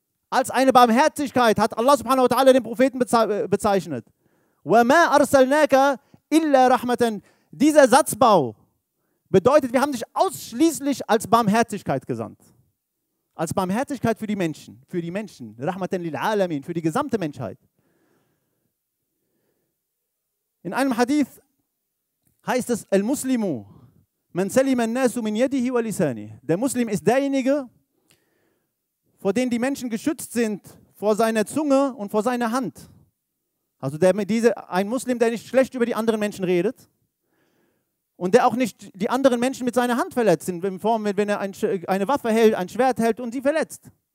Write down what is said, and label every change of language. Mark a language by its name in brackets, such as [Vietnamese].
[German] Als eine Barmherzigkeit hat Allah subhanahu wa ta'ala den Propheten bezeichnet. [Arabic] وَمَا أَرْسَلْنَاكَ إِلَّا رَحْمَةً. [German] Dieser Satzbau bedeutet, wir haben dich ausschließlich als Barmherzigkeit gesandt. Als Barmherzigkeit für die Menschen. Für die Menschen. [Arabic] رَحْمَةً لِلْعَالَمِينَ. [German] Für die gesamte Menschheit. In einem Hadith heißt es, [Arabic] المسلم من سلم الناس من يده ولسانه. [German] Der Muslim ist derjenige, vor dem die Menschen geschützt sind, vor seiner Zunge und vor seiner Hand. Also ein Muslim, der nicht schlecht über die anderen Menschen redet und der auch nicht die anderen Menschen mit seiner Hand verletzt, in Form, wenn er eine Waffe hält, ein Schwert hält und sie verletzt.